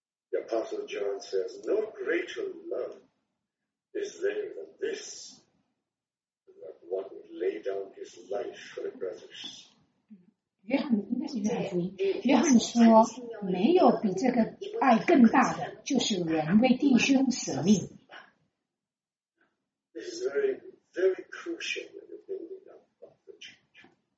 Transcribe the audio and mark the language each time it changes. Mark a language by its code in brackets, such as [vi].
[en] The Apostle John says, no greater love is there than this, that one would lay down his life for the brothers. [zh] 约翰应该是约翰福音。约翰说，没有比这个爱更大的，就是人为弟兄舍命。 [en] This is very, very crucial in the building up of the church.